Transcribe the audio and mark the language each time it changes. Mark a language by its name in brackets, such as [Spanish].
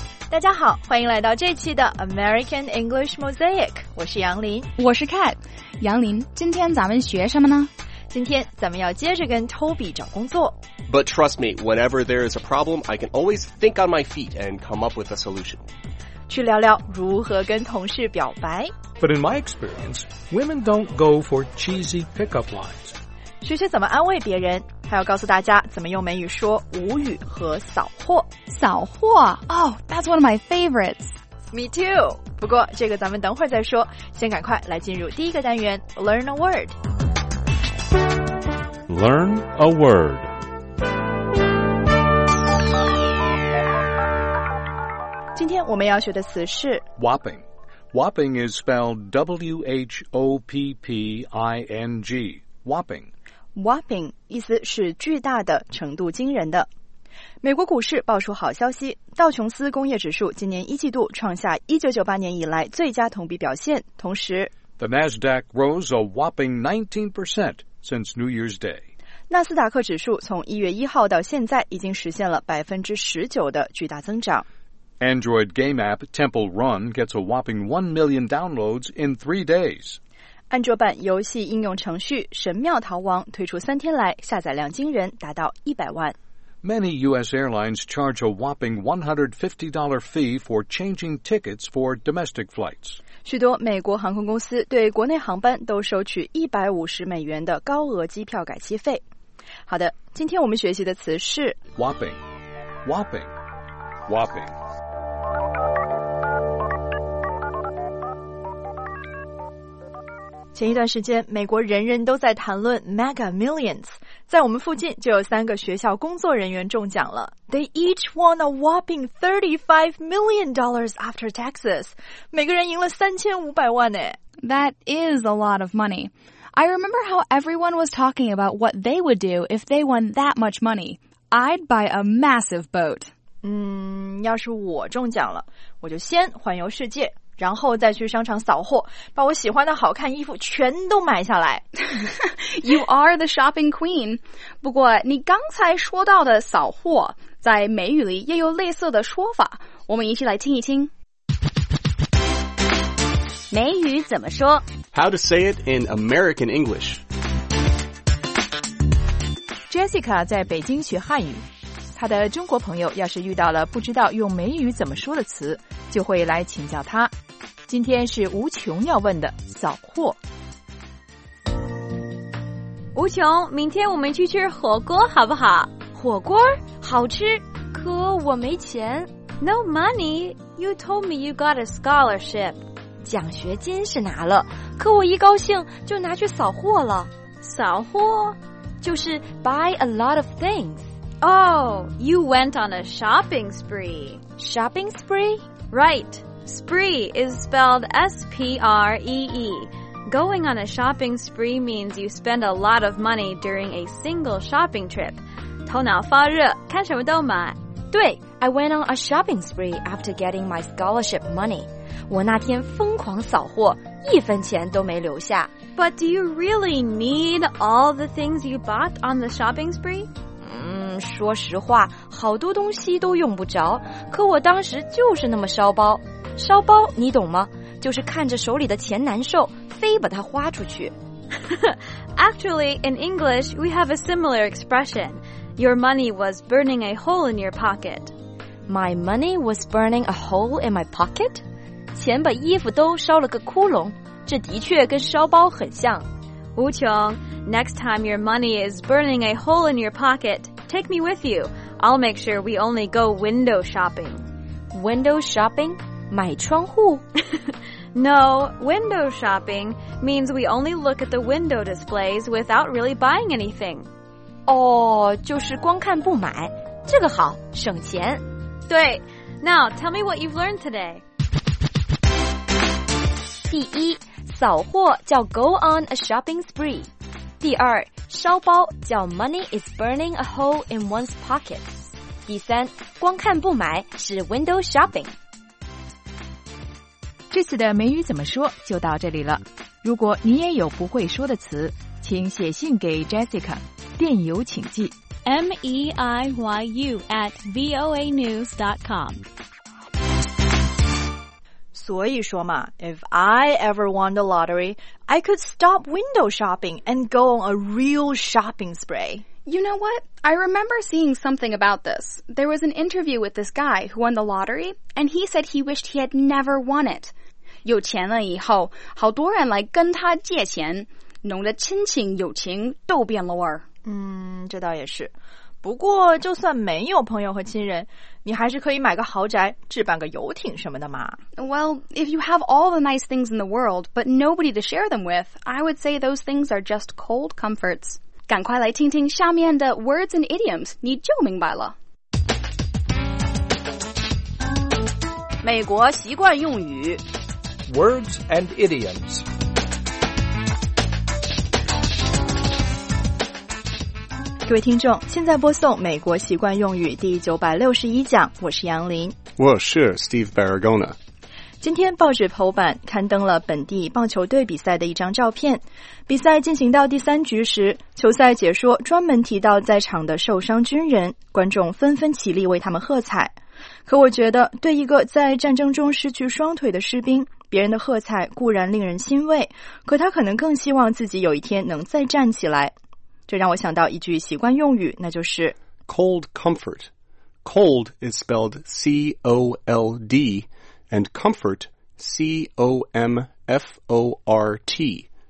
[Chinese] 大家好，欢迎来到这期的 American English Mosaic， 我是杨林。我是 Kat。杨林，今天咱们学什么呢？今天咱们要接着跟 Toby 找工作。 [English] But trust me, whenever there is a problem, I can always think on my feet and come up with a solution. [Chinese] 去聊聊如何跟同事表白。 [English] But in my experience, women don't go for cheesy pickup lines. [Chinese] 学学怎么安慰别人，还要告诉大家怎么用美语说无语和扫货。扫货？ [English] Oh, that's one of my favorites. Me too. [Chinese] 不过这个咱们等会儿再说，先赶快来进入第一个单元 Learn a Word。 [English] Learn a word. Today, [Chinese] 我们要学的词是 [English] whopping. Whopping is spelled W-H-O-P-P-I-N-G. Whopping. [Chinese] Whopping 意思是巨大的，程度惊人的。美国股市爆出好消息，道琼斯工业指数今年一季度创下1998年以来最佳同比表现，同时 [English] The Nasdaq rose a whopping 19% since New Year's Day. [Chinese] 纳斯达克指数从1月1号到现在已经实现了 19% 的巨大增长。 [English] Android game app Temple Run gets a whopping 1 million downloads in 3 days. [Chinese] 安卓版游戏应用程序《神庙逃亡》推出3天来，下载量惊人，达到100万。 [English] Many U.S. airlines charge a whopping $150 fee for changing tickets for domestic flights. [Chinese] 许多美国航空公司对国内航班都收取$150的高额机票改期费。好的，今天我们学习的词是 [English] whopping, whopping, whopping. [Chinese] 前一段时间，美国人人都在谈论 Mega Millions。在我们附近就有三个学校工作人员中奖了。 [English] They each won a whopping $35 million after taxes. [Chinese] 每个人赢了3500万呢。 [English] That is a lot of money. I remember how everyone was talking about what they would do if they won that much money. I'd buy a massive boat. [Chinese] 要是我中奖了，我就先环游世界，然后再去商场扫货，把我喜欢的好看衣服全都买下来。 [English] You are the shopping queen. [Chinese] 不过你刚才说到的扫货，在美语里也有类似的说法，我们一起来听一听。美语怎么说？ [English] How to say it in American English. [Chinese] Jessica 在北京学汉语，她的中国朋友要是遇到了不知道用美语怎么说的词，就会来请教她。今天是吴琼要问的扫货。吴琼，明天我们去吃火锅好不好？火锅好吃，可我没钱。 [English] No money. You told me you got a scholarship. [Chinese] 奖学金是拿了，可我一高兴就拿去扫货了。扫货就是 [English] buy a lot of things. Oh, you went on a shopping spree. Shopping spree? Right. Spree is spelled S-P-R-E-E. Going on a shopping spree means you spend a lot of money during a single shopping trip. [Chinese] 头脑发热，看什么都买。 [English] 对， I went on a shopping spree after getting my scholarship money. [Chinese] 我那天疯狂扫货，一分钱都没留下。 [English] But do you really need all the things you bought on the shopping spree? [Chinese] 说实话，好多东西都用不着，可我当时就是那么烧包。烧包，你懂吗？就是看着手里的钱难受，非把它花出去。 [English] Actually, in English, we have a similar expression. Your money was burning a hole in your pocket. My money was burning a hole in my pocket? [Chinese] 钱把衣服都烧了个窟窿，这的确跟烧包很像。 [English] 吴琼， next time your money is burning a hole in your pocket, take me with you. I'll make sure we only go window shopping. Window shopping? [Chinese] 买窗户? [English] No, window shopping means we only look at the window displays without really buying anything. [Chinese] 就是光看不买，这个好，省钱。 [English] 对， now tell me what you've learned today. [Chinese] 第一，扫货叫 [English] go on a shopping spree. [Chinese] 第二，烧包叫 [English] money is burning a hole in one's pocket. [Chinese] 第三，光看不买是 window shopping. 这次的美语怎么说就到这里了。如果你也有不会说的词，请写信给 Jessica， 电邮请寄 meiyu@voanews.com。所以说嘛 [English] ,if I ever won the lottery, I could stop window shopping and go on a real shopping spree. You know what? I remember seeing something about this. There was an interview with this guy who won the lottery, and he said he wished he had never won it. [Chinese] 有钱了以后好多人来跟他借钱弄得亲情友情都变了味儿。嗯，这倒也是。不过就算没有朋友和亲人，你还是可以买个豪宅，置办个游艇什么的嘛。 [English] Well, if you have all the nice things in the world, but nobody to share them with, I would say those things are just cold comforts. [Chinese] 赶快来听听下面的 [English] words and idioms, [Chinese] 你就明白了。美国习惯用语 [English] Words and idioms. [Chinese] 各位听众，现在播送美国习惯用语第961讲，我是杨林。我是 Steve Barragona。今天报纸头版刊登了本地棒球队比赛的一张照片。比赛进行到第三局时，球赛解说专门提到在场的受伤军人，观众纷纷起立为他们喝彩。可我觉得，对一个在战争中失去双腿的士兵，别人的喝彩固然令人欣慰，可他可能更希望自己有一天能再站起来。这让我想到一句习惯用语，那就是 [English] Cold comfort. Cold is spelled C-O-L-D and comfort C-O-M-F-O-R-T.